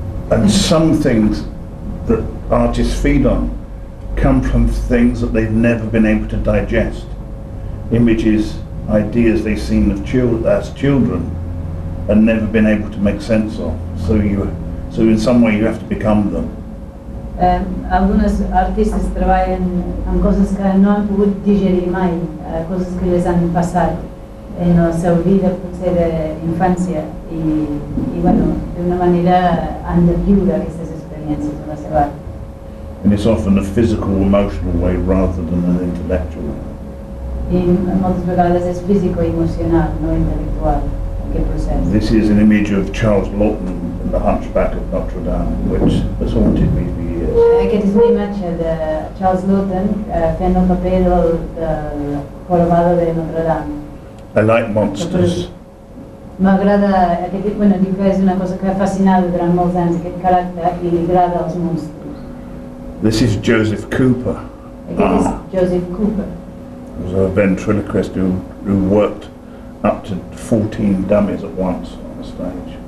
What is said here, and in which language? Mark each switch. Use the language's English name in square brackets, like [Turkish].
[English] And some things that artists feed on come from things that they've never been able to digest. Images, ideas they've seen of children and never been able to make sense of. So in some way you have to become them. [Catalan] Algunes artistes treballen amb coses que no han pogut digerir mai, coses que les han passat en la seva vida, potser d'infància, i bueno, d'una manera han de viure aquestes experiències en la seva art. [English] And it's often a physical, emotional way rather than an intellectual way. [Catalan] I moltes vegades és físico i emocional, no intel·lectual. [English] This is an image of Charles Laughton in The Hunchback of Notre Dame, which has haunted me for years. [Catalan] Aquest és una imatge de Charles Laughton fent el paper del Jorobado de Notre Dame. [English] I like monsters. [Catalan] M'agrada aquest tipus, bueno, diu que és una cosa que ha fascinat durant molts anys, aquest caràcter, i li agrada els monstres. [English] This is Joseph Cooper. [Catalan] Aquest és Joseph Cooper. [English] It was a ventriloquist who worked up to 14 dummies at once on the stage.